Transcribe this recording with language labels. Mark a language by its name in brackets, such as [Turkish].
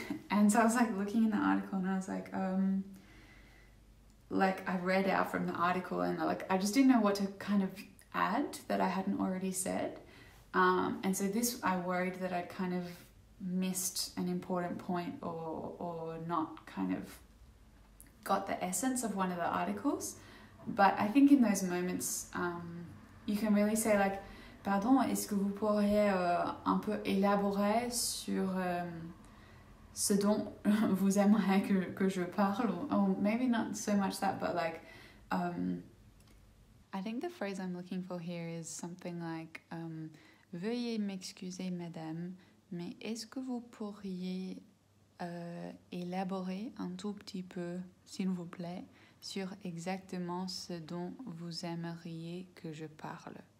[English] And so I was like looking in the article and I was like I read out from the article and like I just didn't know what to kind of add that I hadn't already said. And so this, I worried that I'd kind of missed an important point or not kind of got the essence of one of the articles. But I think in those moments, you can really say like, [French] Pardon, est-ce que vous pourriez un peu élaborer sur ce dont vous aimeriez que je parle? [English] Oh, maybe not so much that, but like, I think the phrase I'm looking for here is something like, [French] veuillez m'excuser, madame, mais est-ce que vous pourriez élaborer un tout petit peu, s'il vous plaît, sur exactement ce dont vous aimeriez que je parle?